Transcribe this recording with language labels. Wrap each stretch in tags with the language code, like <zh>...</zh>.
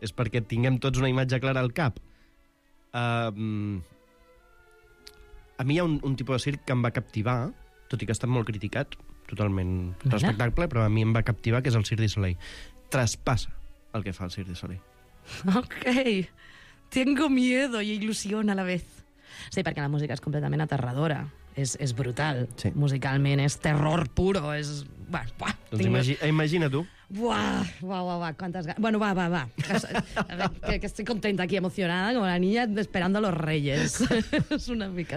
<ca>És perquè tinguem tots una imatge clara al cap. A mi hi ha un tipus de circ que em va captivar, tot i que ha estat molt criticat, totalment respectable, però a mi em va captivar, que és el Cirque du Soleil. Traspassa el que fa el Cirque du Soleil. Ok.</ca> <es>Tengo miedo y ilusión a la vez.</es> <ca>Sí, perquè la música és completament aterradora. És brutal. Sí. Musicalment és</ca> <es>terror puro.</es> <ca>És... Bueno, buah, doncs imagina tu. Buah, quantes ganes. Bueno, va. A veure, que estic contenta aquí, emocionada, com</ca> <es>la niña esperando los reyes.</es> <ca>És una mica...</ca>